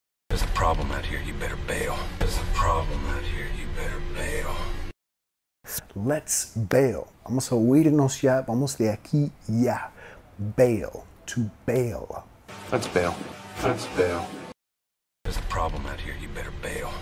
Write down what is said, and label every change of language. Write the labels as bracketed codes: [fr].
[en] There's a problem out here, you better bail. There's a problem out here, you better bail. Let's bail. [es] Vamos a huirnos ya, vamos de aquí ya. [en] Bail. To bail. Let's bail. Let's bail. There's a problem out here, you better bail.